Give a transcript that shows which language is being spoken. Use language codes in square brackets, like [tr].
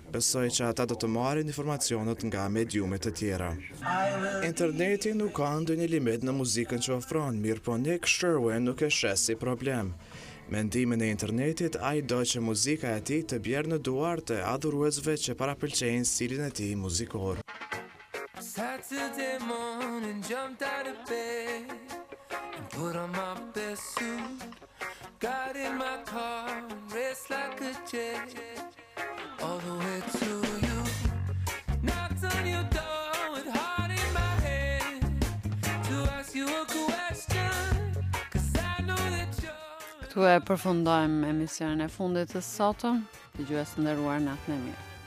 [sq] Besoj që ata do të marrin informacionet nga mediumet të tjera. Interneti nuk ka ndonjë limit në muzikën që ofron, mirë po Nick Sherwin nuk e sheh si problem. Me ndimin e internetit, ai do që muzika e tij të bjerë në duar të adhuruesve që parapëlqejnë stilin e tij muzikor. [en] Saturday morning, jumped out of bed and put on my best suit. Got in my car and raced like a jet all the way to you. Knocked on your door with heart in my head to ask you a question, 'cause I know that you're. [sq] Këtu e përfundojmë emisionin e fundit të sotëm. Dëgjues të nderuar, natën e mirë.